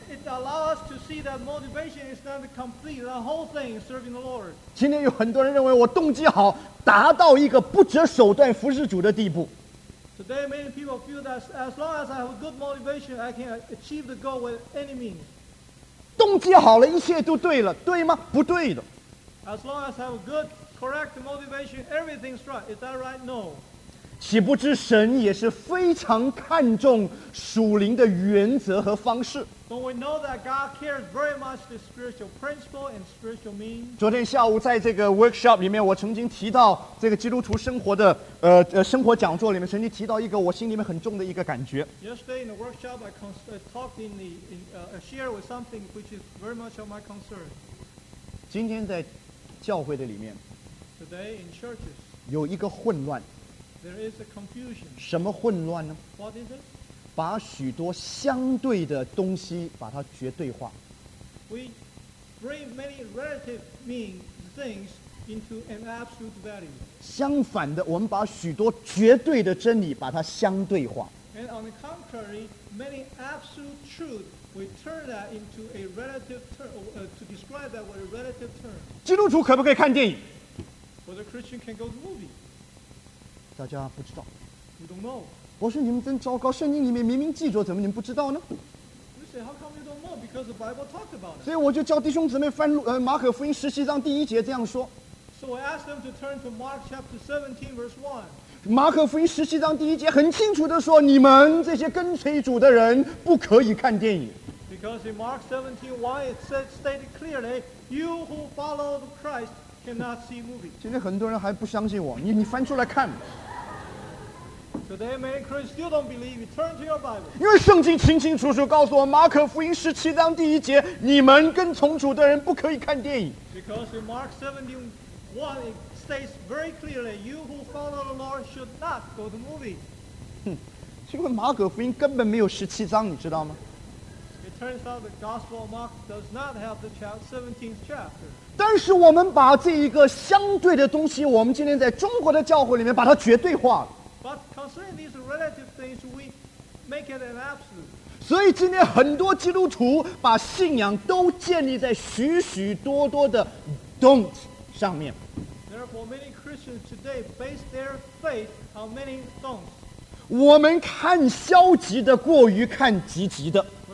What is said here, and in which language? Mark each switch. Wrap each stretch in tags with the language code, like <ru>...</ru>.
<en>Allow us to see that motivation is not the complete, the whole thing is serving the Lord.</en> <zh>今天有很多人认为我动机好，达到一个不择手段服侍主的地步。</zh> <en>Today, many people feel that as long as I have a good motivation, I can achieve the goal with any means.</en> <zh>动机好了，一切都对了，对吗？不对的。</zh> <en>As long as I have a good, correct motivation, everything's right. Is that right? No.</en> <zh>岂不知神也是非常看重属灵的原则和方式。</zh> <en>Don't we know that God cares very much the spiritual principle and spiritual means?</en> <zh>昨天下午在这个 workshop 里面，我曾经提到这个基督徒生活的生活讲座里面，曾经提到一个我心里面很重的一个感觉。</zh> <en>Yesterday in the workshop, I talked in, shared with something which is very much of my concern.</en> <zh>今天在教会的里面</zh> <en>，Today in churches,</en> <zh>有一个混乱。</zh> <en>There is a confusion.</en> <zh>什么混乱呢？</zh> <en>What is it?</en> <zh>把许多相对的东西把它绝对化。</zh> <en>We bring many relative mean things into an absolute value.</en> <zh>相反的，我们把许多绝对的真理把它相对化。</zh> <en>And on the contrary, many absolute truth, we turn that into a relative term, to describe that with a relative term.</en> <zh>基督徒可不可以看电影？</zh> <en>Whether Christian can go to movie?</en> <zh>大家不知道。</zh> <en>You don't know.</en> <zh>我说你们真糟糕，圣经里面明明记着，怎么你们不知道呢？</zh> <en>You say, how come you don't know? Because the Bible talked about it.</en> <zh>所以我就叫弟兄姊妹翻马可福音十七章第一节这样说。</zh> <en>So I asked them to turn to Mark chapter 17 verse 1.</en> <zh>马可福音十七章第一节很清楚地说，你们这些跟随主的人不可以看电影。</zh> <en>Because in Mark 17:1 it said stated clearly, you who follow Christ cannot see movies.</en> <zh>今天很多人还不相信我，你翻出来看。</zh> <en>Today, many Christians still don't believe. Turn to your Bible.</en> <zh>因为圣经清清楚楚告诉我，马可福音十七章第一节，你们跟从主的人不可以看电影。</zh> <en>Because in Mark 17:1, it states very clearly, you who follow the Lord should not go to movies.</en> <zh>因为马可福音根本没有十七章，你知道吗？</zh> <en>Turns out the Gospel of Mark does not have the 17th chapter.</en> <zh>但是我们把这一个相对的东西，我们今天在中国的教会里面把它绝对化了。</zh> <en>But concerning these relative things, we make it an absolute.</en> <zh>所以今天很多基督徒把信仰都建立在许许多多的 don't 上面。</zh> <en>Therefore, many Christians today base their faith on many don'ts.</en> <zh>我们看消极的过于看积极的。</zh>